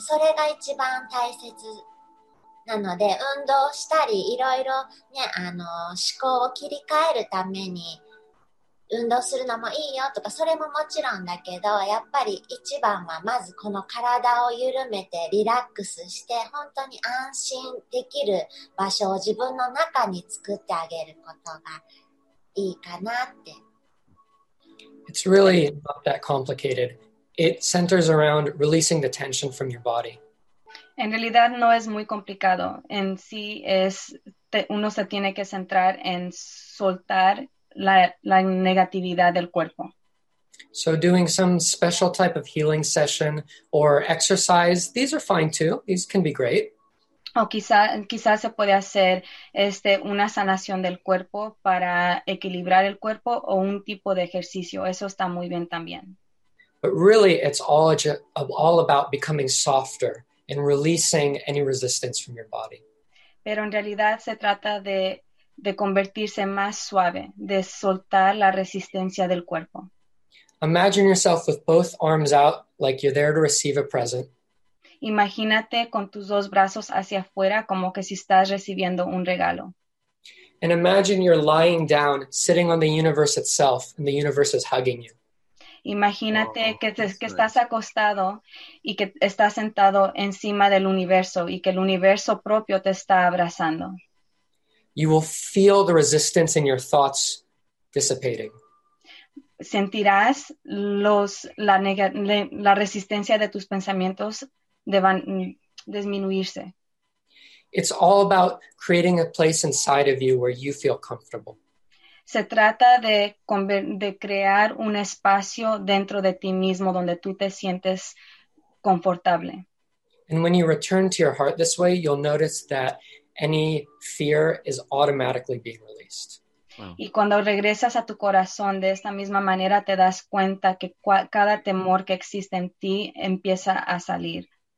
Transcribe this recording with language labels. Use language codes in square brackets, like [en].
[ja] それが一番大切。なので運動したりいろいろね、思考を切り替えるために運動するのもいいよとか、それももちろんだけど、やっぱり一番はまずこの体を緩めてリラックスして、本当に安心できる場所を自分の中に作ってあげることがいいかなって。 [en] It's really not that complicated. It centers around releasing the tension from your body. [es] En realidad no es muy complicado. En sí es, uno se tiene que centrar en soltar la negatividad del cuerpo. So doing some special type of healing session or exercise, these are fine too. These can be great. O quizás se puede hacer una sanación del cuerpo para equilibrar el cuerpo, o un tipo de ejercicio. Eso está muy bien también. [en] But really it's all about becoming softer and releasing any resistance from your body. [es] Pero en realidad se trata de convertirse más suave, de soltar la resistencia del cuerpo. [en] Imagine yourself with both arms out, like you're there to receive a present. [es] Imagínate con tus dos brazos hacia afuera, como que si estás recibiendo un regalo. [en] And imagine you're lying down, sitting on the universe itself, and the universe is hugging you. [es] Imagínate wow, que, te, que estás acostado y que estás sentado encima del universo y que el universo propio te está abrazando. [en] You will feel the resistance in your thoughts dissipating. [es] Sentirás los, la, neg- la resistencia de tus pensamientos deban disminuirse. [en] It's all about creating a place inside of you where you feel comfortable. [es] Se trata de, de crear un espacio dentro de ti mismo donde tú te sientes confortable. [en] And when you return to your heart this way, you'll notice that any fear is automatically being released. [es] Wow. Y cuando regresas a tu corazón de esta misma manera, te das cuenta que cada temor que existe en ti empieza a salir.